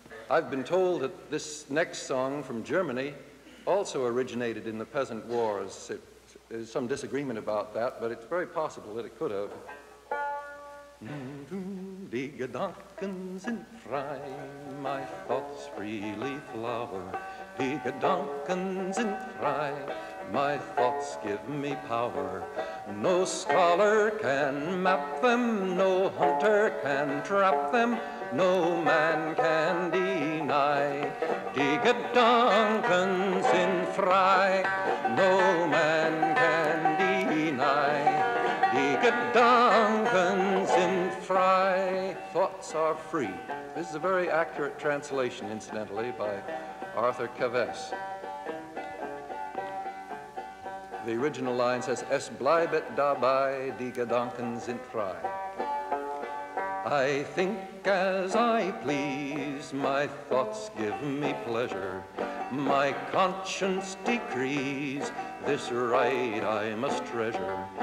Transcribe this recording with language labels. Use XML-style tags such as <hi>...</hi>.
<en>I've been told that this next song from Germany also originated in the peasant wars. There's some disagreement about that, but it's very possible that it could have.</en> <de>Nun tun die Gedanken sind frei,</de> <en>my thoughts freely flower.</en> <de>Die Gedanken sind frei,</de> <en>my thoughts give me power. No scholar can map them, no hunter can trap them, no man can deny.</en> <de>Die Gedanken sind frei,</de> <en>no man can deny.</en> <de>Die Gedanken sind frei,</de> <en>thoughts are free. This is a very accurate translation, incidentally, by Arthur Kaves. The original line says,</en> <de>Es bleibet dabei, die Gedanken sind frei.</de> <en>I think as I please, my thoughts give me pleasure. My conscience decrees, this right I must treasure.</en>